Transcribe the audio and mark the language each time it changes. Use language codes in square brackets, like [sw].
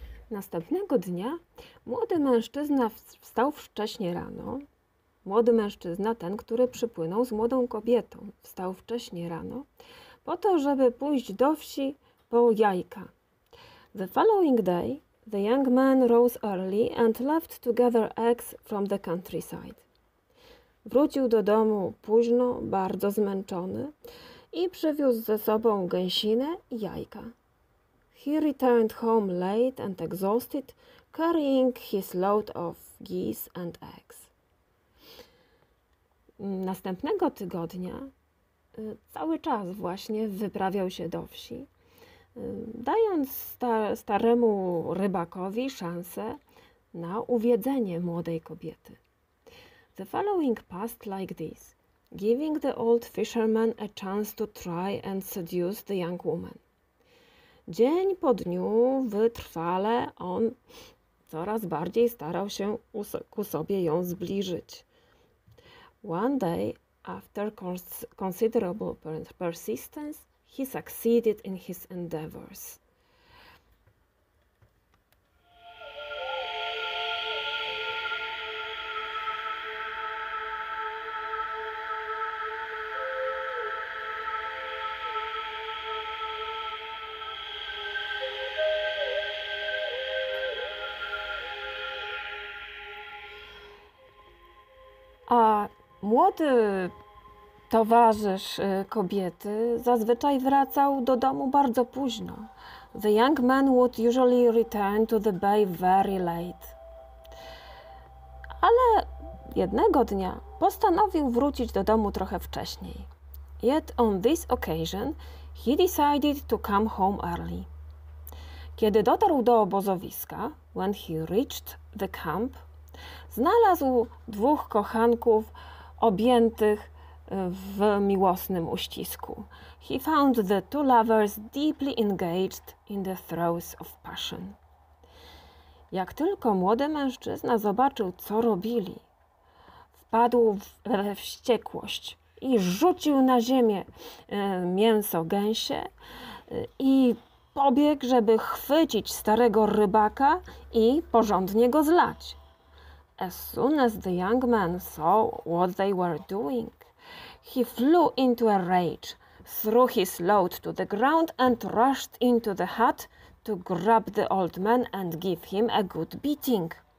[pl] Następnego dnia młody mężczyzna wstał wcześnie rano. Młody mężczyzna, ten, który przypłynął z młodą kobietą, wstał wcześnie rano po to, żeby pójść do wsi po jajka. [en] The following day, the young man rose early and left to gather eggs from the countryside. [pl] Wrócił do domu późno, bardzo zmęczony i przywiózł ze sobą gęsinę i jajka. [en] He returned home late and exhausted, carrying his load of geese and eggs. [pl] Następnego tygodnia cały czas właśnie wyprawiał się do wsi, dając staremu rybakowi szansę na uwiedzenie młodej kobiety. [en] The following passed like this, giving the old fisherman a chance to try and seduce the young woman. [pl] Dzień po dniu wytrwale on coraz bardziej starał się ku sobie ją zbliżyć. [en] One day, after considerable persistence, he succeeded in his endeavors. [pl] A młody towarzysz kobiety zazwyczaj wracał do domu bardzo późno. [en] The young man would usually return to the bay very late. [pl] Ale jednego dnia postanowił wrócić do domu trochę wcześniej. [en] Yet on this occasion he decided to come home early. [pl] Kiedy dotarł do obozowiska, [en] when he reached the camp, [pl] znalazł dwóch kochanków objętych w miłosnym uścisku. [en] He found the two lovers deeply engaged in the throes of passion. [pl] Jak tylko młody mężczyzna zobaczył, co robili, wpadł we wściekłość i rzucił na ziemię mięso gęsie i pobiegł, żeby chwycić starego rybaka i porządnie go zlać. [en] As soon as the young man saw what they were doing, he flew into a rage, threw his load to the ground and rushed into the hut to grab the old man and give him a good beating.